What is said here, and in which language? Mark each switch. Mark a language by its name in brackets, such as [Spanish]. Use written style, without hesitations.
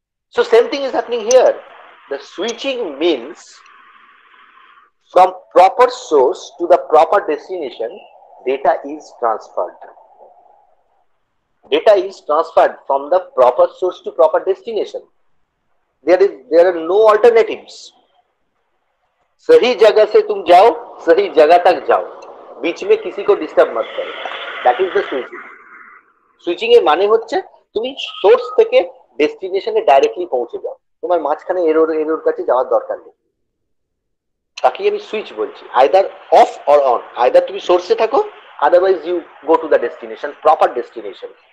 [English] So same thing is happening here, the switching means from proper source to the proper destination data is transferred, data is transferred from the proper source to proper destination, there are no alternatives. [Hindi] सही जगह से तुम जाओ सही जगह तक जाओ, बीच में किसी को डिस्टर्ब मत करो, [English] That is the switching. [Bangla] Switching এর মানে হচ্ছে তুমি সোর্স থেকে ডেস্টিনেশনে ডাইরেক্টলি পৌঁছে যাও, তোমার মাঝখানে এরর এরর কাছে যাওয়ার দরকার নেই। তাকে আমি সুইচ বলছি, [English] either off or on, either [Bangla] তুমি সোর্সে থাকো, [English] Otherwise you go to the destination, proper destination.